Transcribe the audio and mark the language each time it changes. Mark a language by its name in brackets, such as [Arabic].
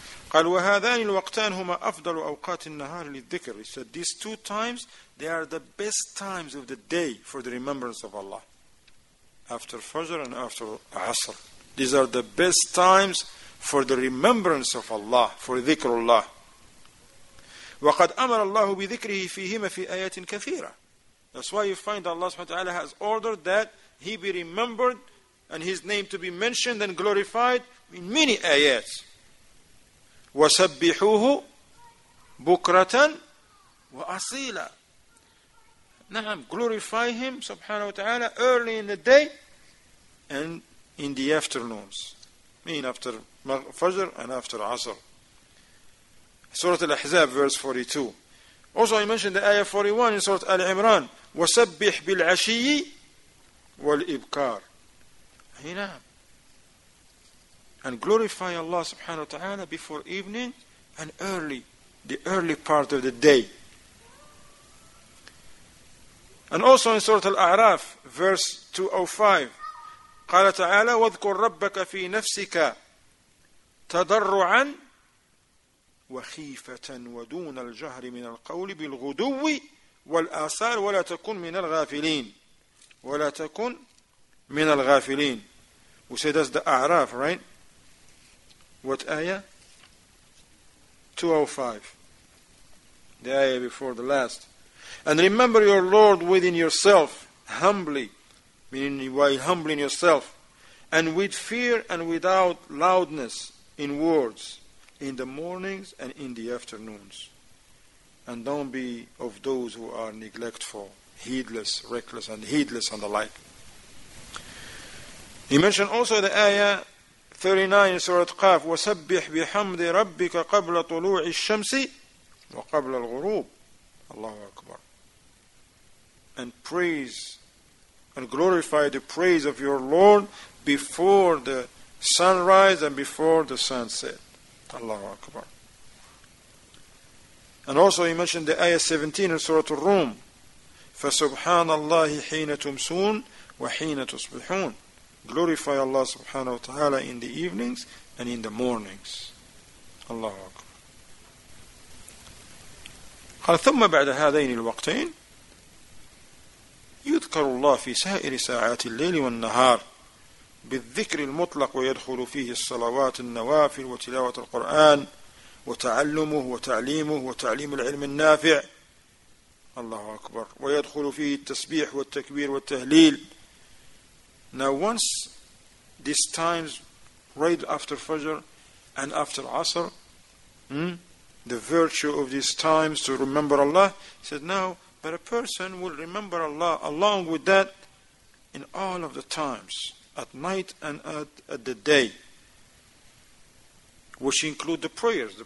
[Arabic] قال وهذان الوقتان هما أفضل أوقات النهار للذكر. [English] He said these two times they are the best times of the day for the remembrance of Allah. After Fajr and after Asr. These are the best times for the remembrance of Allah, for ذكر الله. [Arabic] وقد أمر الله بذكره فيهما في آيات كثيرة. [English] That's why you find Allah سبحانه وتعالى has ordered that he be remembered and his name to be mentioned and glorified in many آيات. [Arabic] وسبحوه بكرة وأصيلا. [English] نعم, glorify him سبحانه وتعالى early in the day and in the afternoons. Mean after Fajr and after Asr. Surah Al-Ahzab verse 42. Also I mentioned the ayah 41 in Surah Al-Imran. [Arabic] وسبح بالعشي والإبكار. نعم. [English] And glorify Allah subhanahu wa ta'ala before evening and early, the early part of the day. And also in Surah Al-A'raf, verse 205, [Arabic] قال تعالى, وَذْكُرْ رَبَّكَ فِي نَفْسِكَ تَضَرُّعًا وَخِيفَةً وَدُونَ الْجَهْرِ مِنَ الْقَوْلِ بِالْغُدُوِّ وَالْآثَارِ وَلَا تَكُنْ مِنَ الْغَافِلِينَ وَلَا تَكُنْ مِنَ الْغَافِلِينَ. [English] We say that's the A'raf, right? What ayah? 205. The ayah before the last. And remember your Lord within yourself, humbly, meaning while humbling yourself, and with fear and without loudness in words, in the mornings and in the afternoons. And don't be of those who are neglectful, heedless, reckless, and heedless and the like. He mentioned also the ayah 39 Surah Qaf, [Arabic] وَسَبِّحْ بِحَمْدِ رَبِّكَ قَبْلَ طُلُوعِ الشَّمْسِ وَقَبْلَ الْغُرُوبِ. Allahu Akbar. [English] And praise and glorify the praise of your Lord before the sunrise and before the sunset. Allahu Akbar. And also he mentioned the ayah 17 in Surah Ar-Rum, [Arabic] فَسُبْحَانَ اللَّهِ حِينَ تُمْسُونَ وَحِينَ تُصْبِحُونَ. [English] Glorify Allah subhanahu wa ta'ala in the evenings and in the mornings. Allahu Akbar. [Arabic] ثم بعد هذين الوقتين يذكر الله في سائر ساعات الليل والنهار بالذكر المطلق ويدخل فيه الصلوات النوافل وتلاوة القرآن وتعلمه وتعليمه وتعليم العلم النافع. Allahu Akbar. ويدخل فيه التسبيح والتكبير والتهليل. [English] Now once these times, right after Fajr and after Asr, the virtue of these times to remember Allah, he said, now, but a person will remember Allah along with that in all of the times, at night and at the day, which include the prayers.